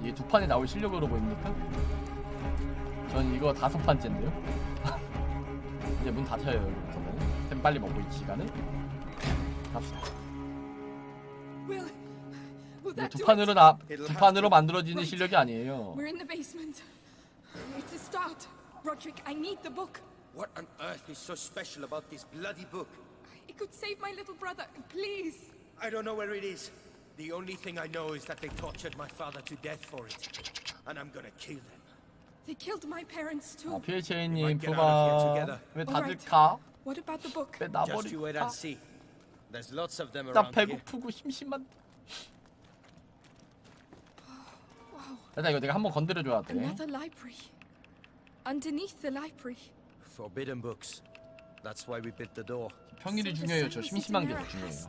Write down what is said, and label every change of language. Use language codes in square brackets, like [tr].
[ko] 이게 두 판에 나올 실력으로 보입니까? 전 이거 다섯 판째인데요? 이제 문 닫혀요 여기부터는. 템 빨리 먹고 이 시간에 갑시다. 이게 두 판으로 나 두 판으로 만들어지는 실력이 아니에요. [en] We're in the basement. It's a start. Roderick, I need the book. What on earth is so special about this bloody book? It could save my little brother, please. I don't know where it is. The only thing I know is that they tortured my father to death for it, and I'm gonna kill them. They killed my parents too. [ko] 피에체인님, 푸바, 왜 다들 가? [en] What about the book? Just you wait and see. There's lots of them around here. [ko] 나 배고프고 심심한. 일단 이거 내가 한번 건드려 줘야 돼. [en] Another library. Underneath the library. Forbidden books. That's why we built the door. [ko] 평일이 중요해요. 저 심심한 게 더 중요해요.